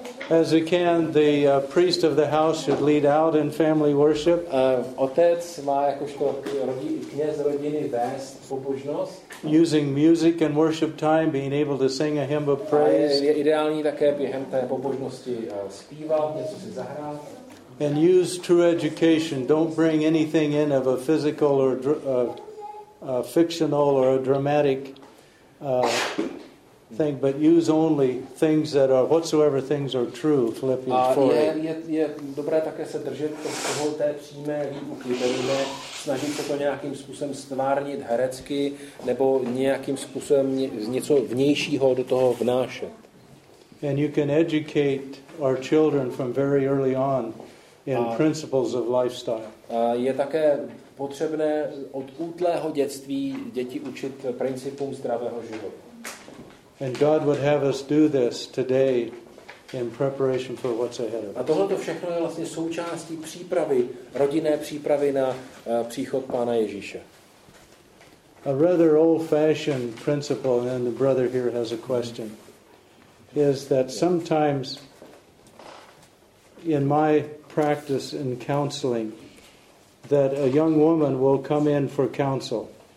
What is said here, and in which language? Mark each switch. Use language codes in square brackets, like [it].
[en] As we can, the priest of the house should lead out in family worship. [cs] Otec má jakožto kněz rodiny vést pobožnost. [en] Using music and worship time, being able to sing a hymn of praise. [cs] Je ideální také během té pobožnosti zpívat, něco si zahrát. [en] And use true education. Don't bring anything in of a physical or a fictional or a dramatic thing, but use only things that are whatsoever things are true. Philippians 4. [cs] Je dobré také se držet toho té přímé výuky, nebo snažit se to nějakým způsobem stvárnit herecky, nebo nějakým způsobem z něco vnějšího do toho vnášet. [en] And you can educate our children from very early on in principles of lifestyle. [cs] Je také potřebné od útlého dětství děti učit principům zdravého života. [en] And God would have us do this today in preparation for what's ahead of us. [cs] A tohle to všechno je vlastně součástí přípravy, rodinné přípravy na příchod Pána Ježíše. [en] A rather old-fashioned principle, and the brother here has a question, is that sometimes in my practice in counseling that a young woman will come in for counsel.